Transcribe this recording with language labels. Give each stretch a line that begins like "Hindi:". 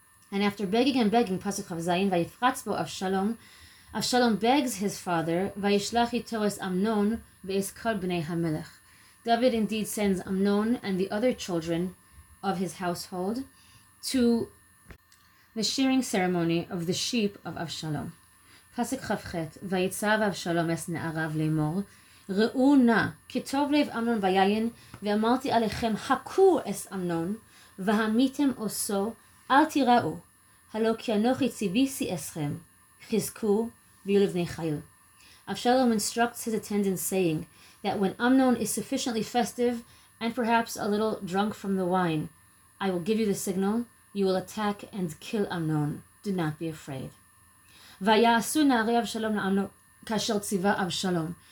English: And after begging and begging,
Hebrew: Pasuk Chav Zayin, Vayifratz bo Avshalom,
English: Avshalom begs his father,
Hebrew: Vayishlach ito es Amnon, ve'es kol b'nei ha-melech.
English: David indeed sends Amnon and the other children of his household to the shearing ceremony of the sheep of Avshalom.
Hebrew: Pasuk Chav Chet, Vayitzav Avshalom es ne'arav le'mor, ראו נא, כי טוב לב אמנון ביין, ואמרתי עליכם, חכו אס אמנון, והמיתם עושו, אל תיראו, הלא כי אנוכי ציוויסי אסכם, חזקו ויהיו לבני חיל.
English: אבשלום instructs his attendants, saying that when Amnon is sufficiently festive and perhaps a little drunk from the wine, I will give you the signal, you will attack and kill Amnon. Do not be afraid.
Hebrew: ויעשו נערי אבשלום לאמנון כאשר ציווה אבשלום.